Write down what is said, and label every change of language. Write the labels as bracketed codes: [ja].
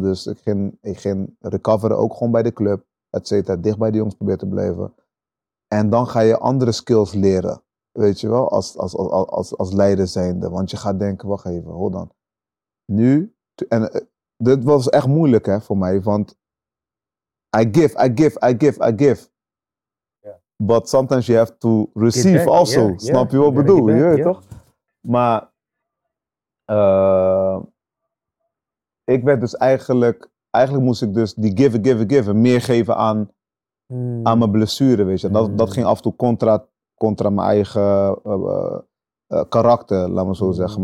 [nl] Dus ik ging recoveren ook gewoon bij de club, et cetera, dicht bij de jongens proberen te blijven. En dan ga je andere skills leren, weet je wel, als leider zijnde. Want je gaat denken, wacht even, [en] hold on. [nl] Nu, en dit was echt moeilijk hè, voor mij, want [en] I give. Yeah. But sometimes you have to receive also. Yeah. [nl] Snap je wat ik bedoel? Je weet toch? Maar ik werd dus eigenlijk moest ik dus die give, meer geven aan mijn blessure, weet je. Dat ging af en toe contra mijn eigen karakter, laat me zo zeggen.